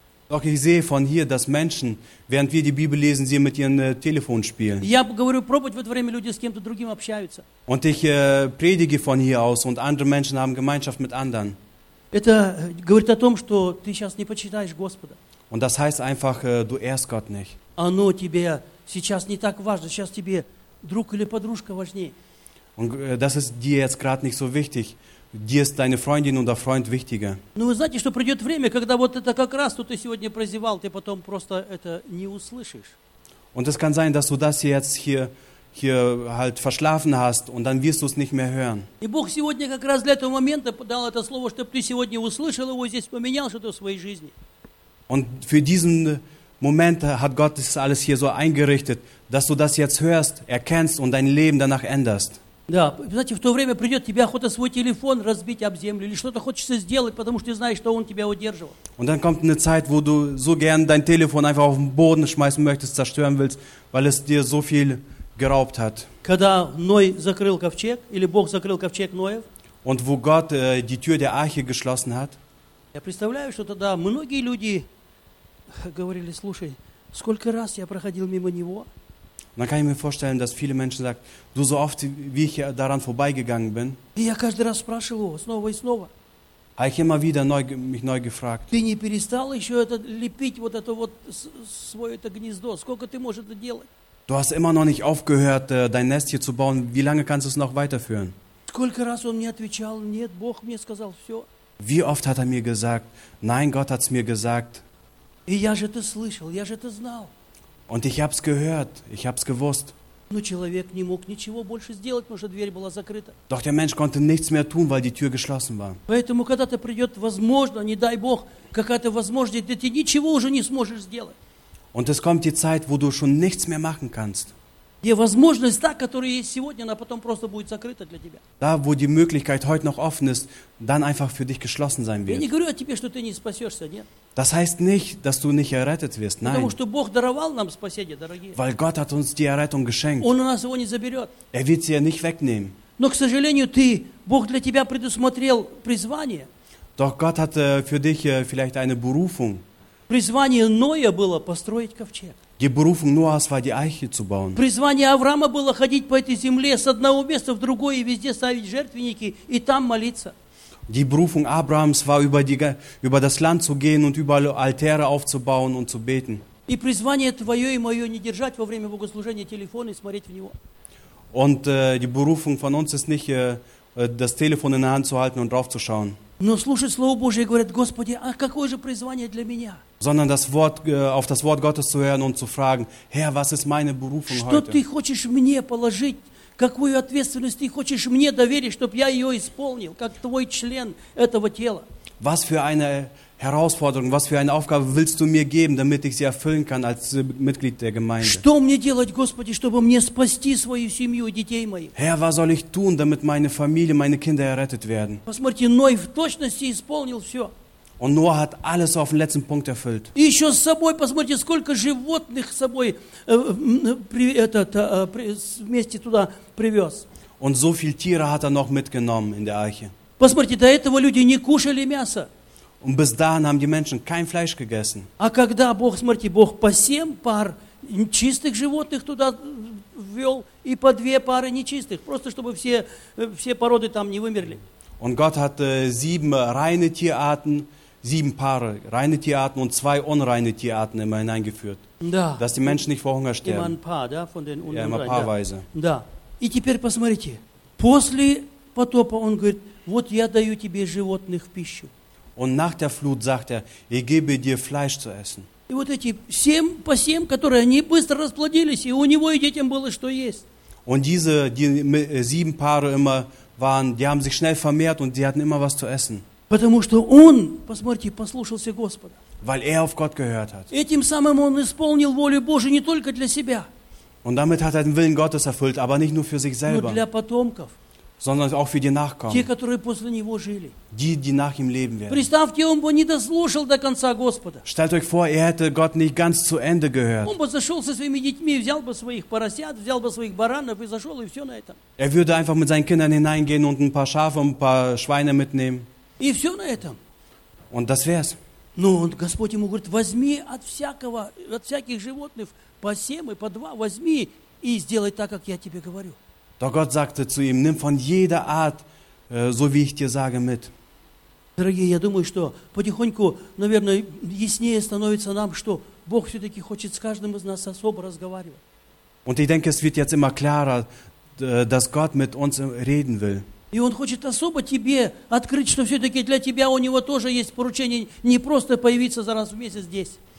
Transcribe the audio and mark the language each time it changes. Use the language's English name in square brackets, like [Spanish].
[German] Doch ich sehe von hier, dass Menschen, während wir die Bibel lesen, sie mit ihren Telefon spielen. [Russian] Я говорю, пробовать в это время люди с кем-то другим общаются. [German] Und ich predige von hier aus und andere Menschen haben Gemeinschaft mit anderen. [Russian] Это говорит о том, что ты сейчас не почитаешь Господа. [German] Und das heißt einfach, du ehrst Gott nicht. [Russian] Оно тебе сейчас не так важно, сейчас тебе друг или подружка важнее. [German] Und das ist dir jetzt gerade nicht so wichtig. Dir ist deine Freundin oder Freund wichtiger. [Russian] Ну, вы знаете, что придет время, когда вот это как раз, что ты сегодня прозевал, ты потом просто это не услышишь. [German] Und es kann sein, dass du das jetzt hier halt verschlafen hast und dann wirst du es nicht mehr hören. [Russian] И Бог сегодня как раз для этого момента дал это слово, чтобы ты сегодня услышал его здесь, поменял что-то в своей жизни. [German] Und für diesen Moment hat Gott das alles hier so eingerichtet, dass du das jetzt hörst, erkennst und dein Leben danach änderst. [Russian] Да, знаете, в то время придет тебе охота свой телефон разбить об землю или что-то хочется сделать, потому что ты знаешь, что он тебя удерживал. [German] Und dann kommt eine Zeit, wo du so gern dein Telefon einfach auf den Boden schmeißen möchtest, zerstören willst, weil es dir so viel geraubt hat. [Russian] Когда Ной закрыл ковчег или Бог закрыл ковчег Ноев? [German] Und wo Gott die Tür der Arche geschlossen hat? [Russian] Я представляю, что тогда многие люди говорили: «Слушай, сколько раз я проходил мимо него?» [German] Und dann kann ich mir vorstellen, dass viele Menschen sagen, du so oft, wie ich daran vorbeigegangen bin, habe ich immer wieder mich neu gefragt. [Russian] Ты не перестал еще это лепить, вот это вот свое это гнездо? Сколько ты можешь это делать? [German] Du hast immer noch nicht aufgehört, dein Nest hier zu bauen. Wie lange kannst du es noch weiterführen? [Russian] Сколько раз он мне отвечал, нет, Бог мне сказал, все. [German] Wie oft hat er mir gesagt, nein, Gott hat es mir gesagt. [Russian] И я же это слышал, я же это знал. [German] Und ich hab's gehört, ich hab's gewusst. [Russian] Но человек не мог ничего больше сделать, потому что дверь была закрыта. [German] Doch der Mensch konnte nichts mehr tun, weil die Tür geschlossen war. [Russian] Поэтому когда-то придет, возможно, не дай Бог, какая-то возможность, да ты ничего уже не сможешь сделать. [German] Und es kommt die Zeit, wo du schon nichts mehr machen kannst. [Russian] Где возможность та, которая есть сегодня, она потом просто будет закрыта для тебя. [German] Da, wo die Möglichkeit heute noch offen ist, dann einfach für dich geschlossen sein wird. [Russian] Я не говорю о тебе, что ты не спасешься, нет. [German] Das heißt nicht, dass du nicht errettet wirst, nein. [Russian] Потому что Бог даровал нам спасение, дорогие. [German] Weil Gott hat uns die Errettung geschenkt. [Russian] Он у нас его не заберет. [German] Er wird sie ja nicht wegnehmen. [Russian] Но, к сожалению, ты, Бог для тебя предусмотрел призвание. [German] Doch Gott hat für dich vielleicht eine Berufung. [Russian] Призвание Ноя было построить ковчег. [German] Die Berufung Noahs war, die Eiche zu bauen. [Russian] Призвание Авраама было ходить по этой земле с одного места в другое и везде ставить жертвенники и там молиться. [German] Die Berufung Abrahams war, über das Land zu gehen und überall Altäre aufzubauen und zu beten. [Russian] И призвание твое и мое не держать во время богослужения телефон и смотреть в него. [German] Und die Berufung von uns ist nicht, das Telefon in der Hand zu halten und drauf zu schauen. [Russian] Но слушать Слово Божие и говорить, Господи, а какое же призвание для меня? [German] Sondern das Wort, auf das Wort Gottes zu hören und zu fragen, Herr, was ist meine Berufung [Russian] что [German] heute? [Russian] Что ты хочешь мне положить? Какую ответственность ты хочешь мне доверить, чтобы я ее исполнил, как твой член этого тела? [German] Was für eine Herausforderung, was für eine Aufgabe willst du mir geben, damit ich sie erfüllen kann als Mitglied der Gemeinde? [Russian] Что мне делать, Господи, чтобы мне спасти свою семью и детей моих? [German] Herr, was soll ich tun, damit meine Familie, meine Kinder errettet werden? [Russian] Посмотрите, Ной в точности исполнил все. [German] Und Noah hat alles auf den letzten Punkt erfüllt. [Russian] И еще с собой, посмотрите, сколько животных с собой вместе туда привез. [German] Und so viel Tiere hat noch mitgenommen in der Arche. [Russian] Посмотрите, до этого люди не кушали мясо. [German] Und bis dahin haben die Menschen kein Fleisch gegessen. [Russian] А когда Бог, смотрите, Бог по семь пар чистых животных туда ввел и по две пары нечистых, просто чтобы все породы там не вымерли. [German] Und Gott hat sieben Paare reine Tierarten und zwei unreine Tierarten immer hineingeführt, [Russian] да. [German] Dass die Menschen nicht vor Hunger sterben. Immer ein paar, [Russian] да, [German] von den ja, immer paarweise. [Russian] Да. И теперь посмотрите, после потопа он говорит, вот я даю тебе животных в пищу. [German] Und nach der Flut sagt ich gebe dir Fleisch zu essen. [Russian] И вот эти семь по семь, которые они быстро расплодились, и у него и детям было что есть. [German] Und diese sieben Paare immer waren, die haben sich schnell vermehrt und sie hatten immer was zu essen. [Russian] Потому что он, посмотрите, послушался Господа. [German] Weil auf Gott gehört hat. [Russian] Этим самым он исполнил волю Божию не только для себя. [German] Und damit hat den Willen Gottes erfüllt, aber nicht nur für sich selber. [Russian] Но для потомков. [German] Sondern auch für die Nachkommen. [Russian] Те, которые после него жили. [German] Die nach ihm leben werden. [Russian] Представьте, он бы не дослушал до конца Господа. [German] Stellt euch vor, hätte Gott nicht ganz zu Ende gehört. [Russian] Он бы зашел со своими детьми, взял бы своих поросят, взял бы своих баранов и зашел, и все на этом. [German] Er würde einfach mit seinen Kindern hineingehen und ein paar Schafe und ein paar Schweine mitnehmen. [Russian] И все на этом. [German] Und das wär's. [Russian] Но он, Господь ему говорит, возьми от всякого, от всяких животных по семь и по два, возьми и сделай так, как я тебе говорю. [German] Doch Gott sagte zu ihm, nimm von jeder Art, so wie ich dir sage, mit. [Russian] Дорогие, я думаю, что потихоньку, наверное, яснее становится нам, что Бог все-таки хочет с каждым из нас особо разговаривать. [German] Und ich denke, es wird jetzt immer klarer, dass Gott mit uns reden will. [Russian] И он хочет особо тебе открыть, что все-таки для тебя у него тоже есть поручение не просто появиться за раз в месяц здесь.